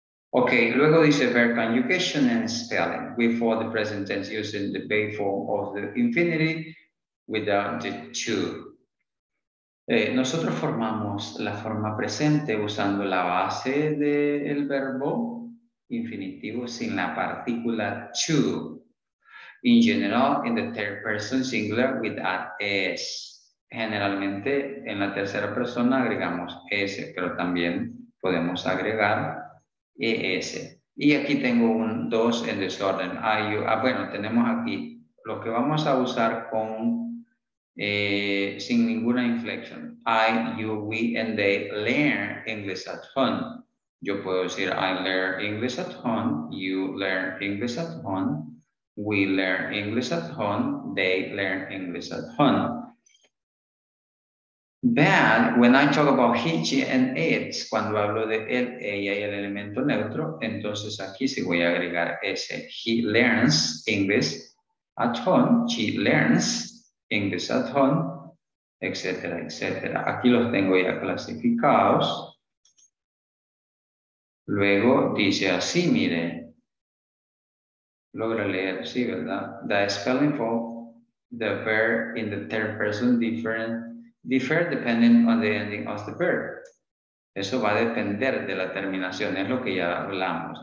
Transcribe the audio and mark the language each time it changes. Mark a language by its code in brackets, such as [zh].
[es] Ok, luego dice [en] verb conjugation and spelling. Before the present tense, using the base form of the infinitive without the to. [es] Nosotros formamos la forma presente usando la base del verbo infinitivo sin la partícula to. [en] In general, in the third person singular with an s. [es] Generalmente, en la tercera persona agregamos s, pero también podemos agregar es. Y aquí tengo un 2 en desorden. Tenemos aquí lo que vamos a usar con sin ninguna inflexión. [en] I, you, we, and they learn English at home. [es] Yo puedo decir, [en] I learn English at home, you learn English at home, we learn English at home, they learn English at home. But when I talk about he, she, and it, [es] cuando hablo de él, ella y el elemento neutro, entonces aquí sí voy a agregar ese. [en] He learns English at home, she learns English at home, etcétera, etcétera. [es] Aquí los tengo ya clasificados. Luego dice así, mire. Logra leer, sí, ¿verdad? [en] The spelling for the verb in the third person differ depending on the ending of the verb. [es] Eso va a depender de la terminación, es lo que ya hablamos.